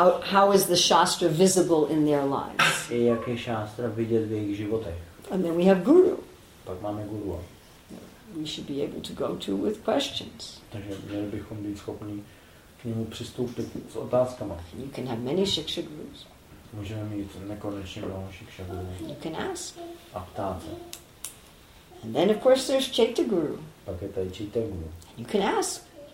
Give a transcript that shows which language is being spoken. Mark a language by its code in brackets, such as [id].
[en] How is the shastra visible in their lives? [cs] I jak je šástra vidět v jejich životech? [en] And then we have guru. [cs] Pak máme guru. [en] We should be able to go to with questions. [cs] Takže měli bychom být schopni k němu přistoupit s otázkama. [en] You can have many shiksha gurus. [cs] Můžeme mít nekonečně mnoho shiksha gurů. [en] You can ask. [cs] A ptát se. [en] And then of course there's chaita guru. [cs] Pak je tady chaita guru. [en] You can ask.